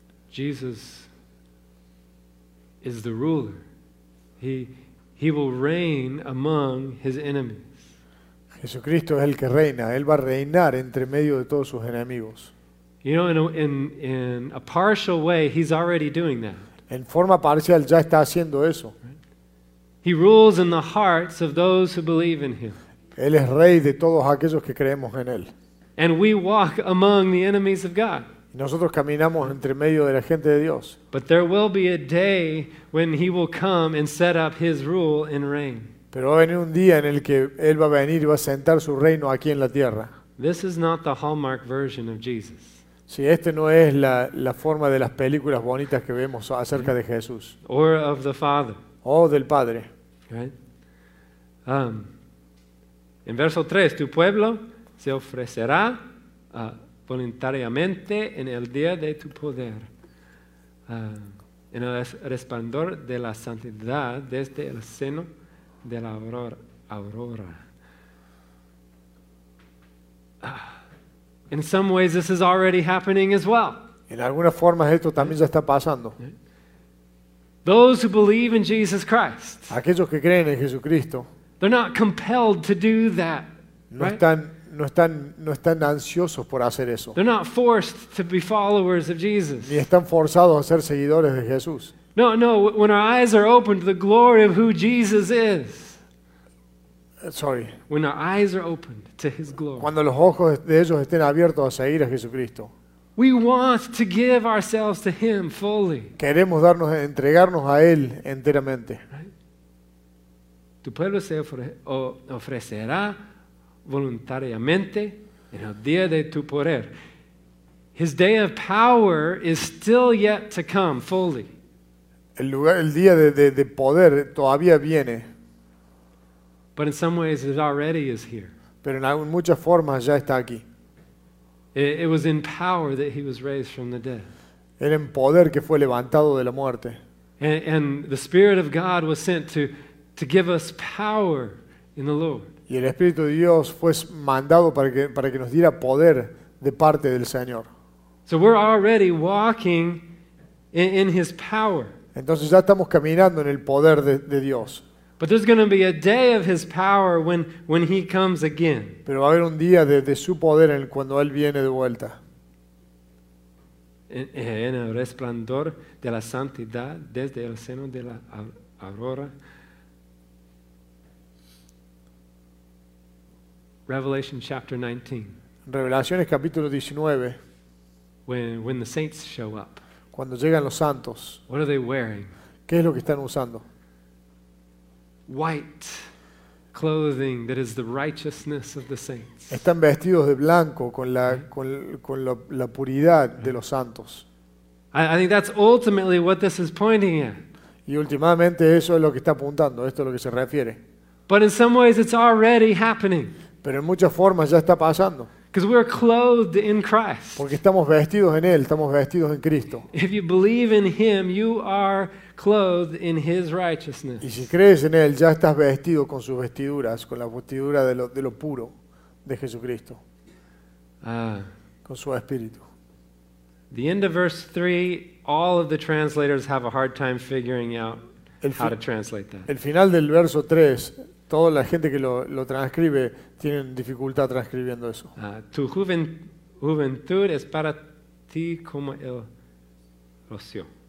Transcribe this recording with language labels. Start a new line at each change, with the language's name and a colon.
English: Jesus is the ruler. He will reign among his enemies.
Spanish: Jesucristo es el que reina. Él va a reinar entre medio de todos sus enemigos.
English: You know, in a partial way, he's already doing that.
Spanish: En forma parcial ya está haciendo eso.
English: He rules in the hearts of those who believe in him.
Spanish: Él es rey de todos aquellos que creemos en él.
English: And we walk among the enemies of God.
Spanish: Nosotros caminamos entre medio de la gente de Dios.
English: But there will be a day when he will come and set up his rule and reign.
Spanish: Pero va a venir un día en el que Él va a venir y va a sentar su reino aquí en la tierra.
English: This is not the Hallmark version of Jesus.
Spanish: Sí, este no es la forma de las películas bonitas que vemos acerca de Jesús.
English: Or of the Father.
Spanish: Oh, del Padre.
English: Right?
Spanish: En verso 3, tu pueblo se ofrecerá voluntariamente en el día de tu poder, en el resplandor de la santidad desde el seno de la aurora.
English: In some ways, this is already happening as well.
Spanish: En algunas formas esto también ya está pasando.
English: Those who believe in Jesus Christ.
Spanish: Aquellos que creen en Jesucristo.
English: They're not compelled to do that.
Spanish: No están ansiosos por hacer eso.
English: They're not forced to be followers of Jesus.
Spanish: Ni están forzados a ser seguidores de Jesús.
English: No. When our eyes are open to the glory of who Jesus is. Sorry. When our eyes are opened to His glory.
Spanish: Cuando los ojos de ellos estén abiertos a seguir a Jesucristo.
English: We want to give ourselves to Him fully.
Spanish: Queremos darnos, entregarnos a Él enteramente. Tu pueblo se ofrecerá voluntariamente en el día de tu poder.
English: His day of power is still yet to come fully.
Spanish: El día de poder todavía viene.
English: But in some ways, it already is here.
Spanish: Pero en muchas formas ya está aquí.
English: It was in power that he was raised from the dead.
Spanish: Era en poder que fue levantado de la muerte.
English: And the Spirit of God was sent to give us power in the Lord.
Spanish: Y el Espíritu de Dios fue mandado para que nos diera poder de parte del Señor.
English: So we're already walking in His power.
Spanish: Entonces ya estamos caminando en el poder de Dios.
English: But there's going to be a day of His power when He comes again.
Spanish: Pero va a haber un día de su poder en el cuando Él viene de vuelta. En el resplandor de la santidad desde el seno de la aurora.
English: Revelation chapter 19.
Spanish: Revelaciones capítulo 19.
English: When the saints show up.
Spanish: Cuando llegan los santos.
English: What are they wearing?
Spanish: ¿Qué es lo que están usando?
English: White clothing that is the righteousness of the saints.
Spanish: Están vestidos de blanco con la puridad de los santos.
English: I think that's ultimately what this is pointing at.
Spanish: Y últimamente eso es lo que está apuntando, esto es lo que se refiere.
English: But in some ways it's already happening.
Spanish: Pero en muchas formas ya está pasando.
English: Because we're clothed in Christ.
Spanish: Porque estamos vestidos en Él, estamos vestidos en Cristo.
English: If you believe in Him, you are clothed in His righteousness.
Spanish: Y si crees en Él, ya estás vestido con sus vestiduras, con la vestidura de lo puro de Jesucristo. Con su Espíritu.
English: The end of verse 3, all of the translators have a hard time figuring out how to translate that.
Spanish: El final del verso 3, toda la gente que lo transcribe tienen dificultad transcribiendo eso. Tu juventud es para ti como el rocío.